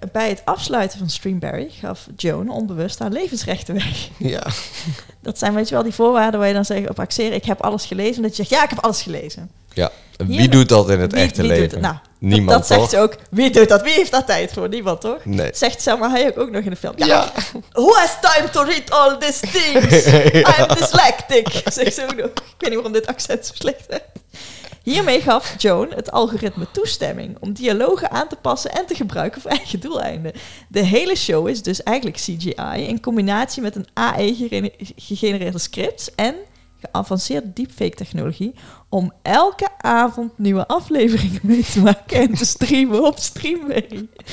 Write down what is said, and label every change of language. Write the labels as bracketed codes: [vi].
[nl] Bij het afsluiten van Streamberry gaf Joan onbewust haar levensrechten weg. Ja. Dat zijn, weet je wel, die voorwaarden waar je dan zegt op accepteren. Ik heb alles gelezen. En dat je zegt, ja, ik heb alles gelezen. Ja. Wie doet dat in het echte leven? Nou, niemand, dat Zegt ze ook. Wie doet dat? Wie heeft daar tijd voor? Niemand, toch? Nee. Zegt Selma Hayek ook nog in de film. Ja. [en] Who has time to read all these things? [nl] Ja. [en] I'm dyslectic. [nl] Zegt ze ook nog. Ik weet niet waarom dit accent zo slecht is. Hiermee gaf Joan het algoritme toestemming om dialogen aan te passen en te gebruiken voor eigen doeleinden. De hele show is dus eigenlijk CGI in combinatie met een AI-gegenereerde script en geavanceerde deepfake-technologie om elke avond nieuwe afleveringen mee te maken en te streamen op Streamberry.